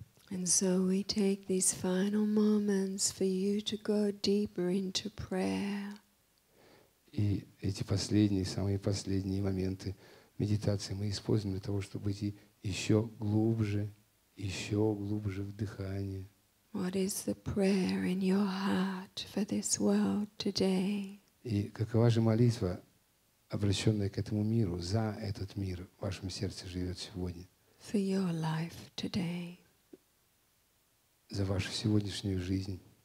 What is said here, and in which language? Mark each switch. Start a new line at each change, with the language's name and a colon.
English: And so we take these final moments for you to go deeper into prayer.
Russian: И эти последние, самые последние моменты медитации мы используем для того, чтобы идти еще глубже в дыхание,
English: What is the prayer in your heart for this world today?
Russian: И какова же молитва, обращенная к этому миру, за этот мир в вашем сердце живет сегодня?
English: For your life today.
Russian: За вашу сегодняшнюю жизнь.